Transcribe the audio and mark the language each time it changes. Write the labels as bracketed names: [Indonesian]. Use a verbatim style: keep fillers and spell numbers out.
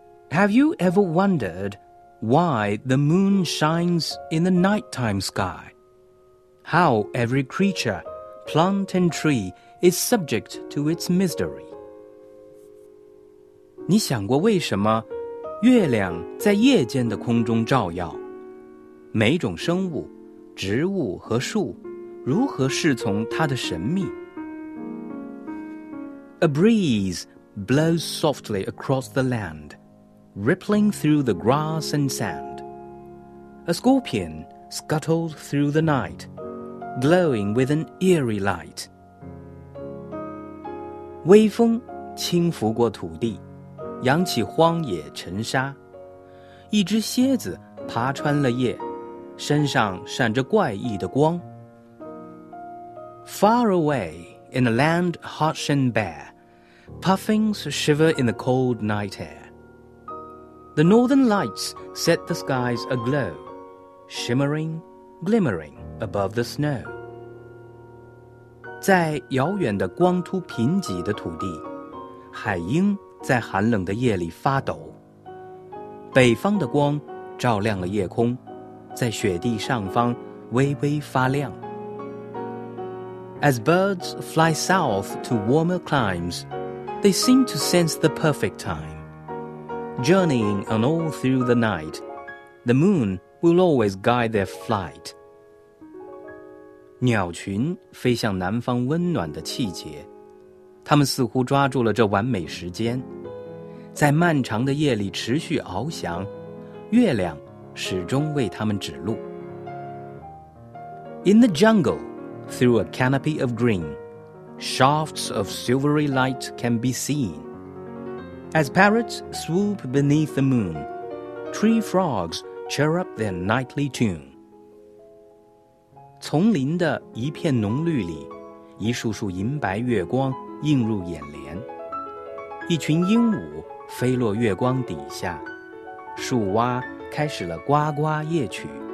[English] Have you ever wondered why the moon shines in the nighttime sky? How every creature, plant and tree is subject to its mystery. [Chinese] 你想过为什么月亮在夜间的空中照耀？每种生物、植物和树如何侍从它的神秘？ [English] A breeze blows softly across the land, rippling through the grass and sand. A scorpion scuttled through the night,glowing with an eerie light. [Chinese] 微风轻拂过土地，扬起荒野尘沙。一只蝎子爬穿了夜，身上闪着怪异的光。 [English] Far away in a land harsh and bare, puffings shiver in the cold night air. The northern lights set the skies aglow, shimmering, glimmering. Above the snow. [Chinese] 在遥远的光秃贫瘠的土地，海鹰在寒冷的夜里发抖。北方的光照亮了夜空，在雪地上方微微发亮。 [English] As birds fly south to warmer climes, they seem to sense the perfect time. Journeying on all through the night, the moon will always guide their flight. [Chinese] 鸟群飞向南方温暖的气节，它们似乎抓住了这完美时间，在漫长的夜里持续翱翔，月亮始终为它们指路。 [English] In the jungle, through a canopy of green, shafts of silvery light can be seen. As parrots swoop beneath the moon, tree frogs chirrup their nightly tune. [Chinese] 丛林的一片浓绿里，一束束银白月光映入眼帘，一群鹦鹉飞落月光底下，树蛙开始了呱呱夜曲。